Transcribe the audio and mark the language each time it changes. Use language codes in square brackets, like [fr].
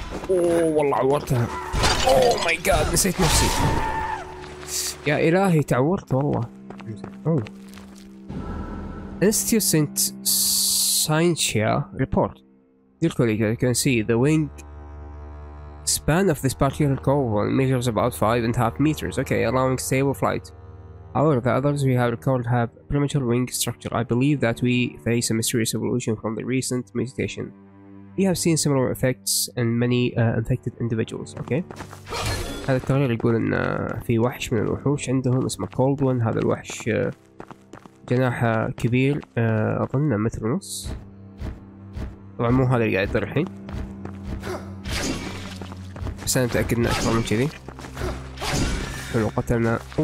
[ar] والله عورتها. اوه [en] my God, [ar] نسيت نفسي يا الهي، تعورت والله. [en] انستيوس سنت ساينشيا report. Dear colleague, you can see the wing span of this particular coval measures about 5.5 meters. Okay, allowing stable flight. However, the others we have recorded have premature wing structure. I believe that we face a mysterious evolution from the recent mutation. We have seen similar effects in many infected individuals. Okay. [ar] هذا التغيير يقول إن في وحش من الوحوش عندهم اسمه Cold One. هذا الوحش جناحه كبير، أظن متر ونص. طبعا مو هذا اللي قاعد يطير الحين، بس أنا متأكد إنه أكبر من كذي. حلو، قتلنا.